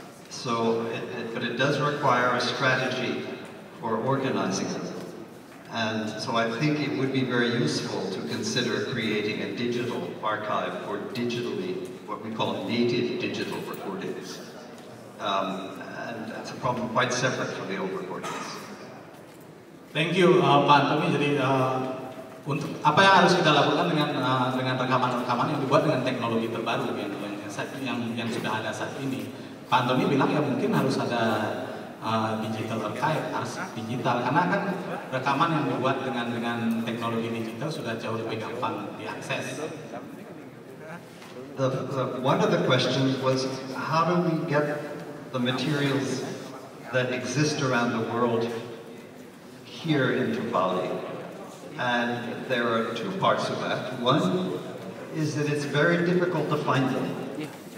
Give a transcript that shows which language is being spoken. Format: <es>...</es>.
<en>So, but it does require a strategy for organizing them. And so I think it would be very useful to consider creating a digital archive for digitally, what we call native digital recordings. And that's a problem quite separate from the old recordings. Thank you, Pak Antoni.</en> <id>Jadi, untuk apa yang harus kita lakukan dengan rekaman-rekaman yang dibuat dengan teknologi terbaru yang sudah ada saat ini? Pak Antoni bilang ya mungkin harus ada digital archive, arsip digital, karena kan rekaman yang dibuat dengan teknologi digital sudah jauh lebih gampang diakses.</id> <en>The one of the questions was, how do we get the materials that exist around the world here in Bali? And there are two parts of that. One is that it's very difficult to find them.</en>